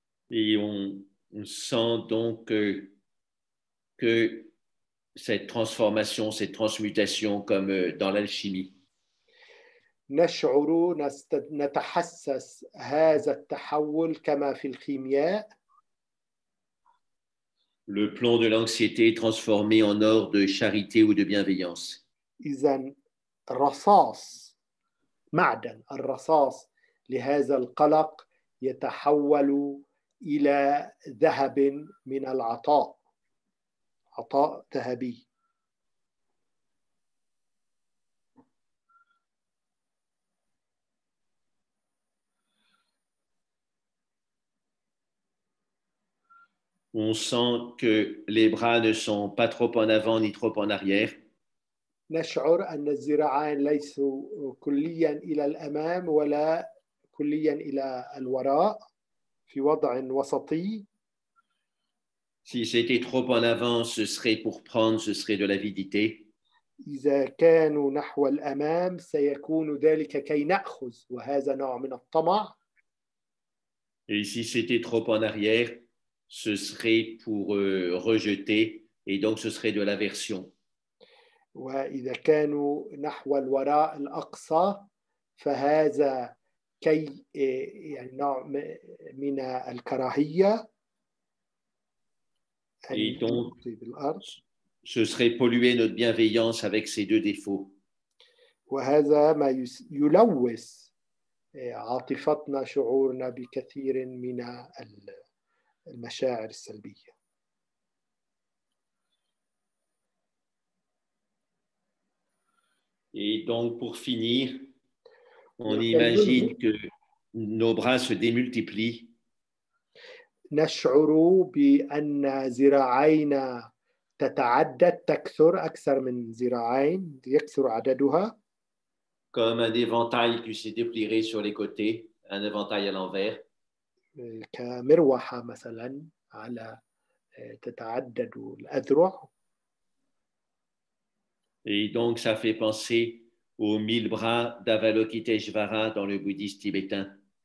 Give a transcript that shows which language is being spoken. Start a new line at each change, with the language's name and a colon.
French: Et on sent donc que cette transformation, cette transmutation, comme dans l'alchimie.
Arabic: نشعر نتحسس هذا التحول كما في الكيمياء.
French: Le plomb de l'anxiété transformé en or de charité ou de bienveillance.
Arabic: إذن رصاص معدن الرصاص لهذا القلق يتحول إلى ذهب من العطاء عطاء ذهبي.
French: On sent que les bras ne sont pas trop en avant ni trop en arrière.
Arabic: نشعر أن الذراعين ليسوا كليا إلى الأمام ولا كليا إلى الوراء. في وضع وسطي.
French: Si c'était trop en avant, ce serait pour prendre, ce serait de l'avidité.
Arabic: إذا كانوا نحو الأمام سيكون ذلك كي نأخذ وهذا نوع من الطمع.
French: Et si c'était trop en arrière, ce serait pour rejeter et donc ce serait de l'aversion.
Arabic: وإذا كانوا نحو الوراء الأقصى فهذا كي يعني نوع من الكراهية أن يطفي بالأرض.
French: Ce serait polluer notre bienveillance avec ces deux défauts.
Arabic: وهذا ما يلوث عاطفتنا شعورنا بكثير من المشاعر السلبية.
French: Et donc pour finir, on imagine que nos bras se démultiplient.
Arabic: نشعر بأن ذراعينا تتعدد تكثر أكثر من ذراعين يكثر عددها.
French: Comme un éventail qui s'est déplié sur les côtés, un éventail à l'envers.
Arabic: كمروحة مثلا على تتعدد الأذرع.
French: Et donc ça fait penser aux mille bras d'Avalokiteshvara dans le bouddhisme tibétain.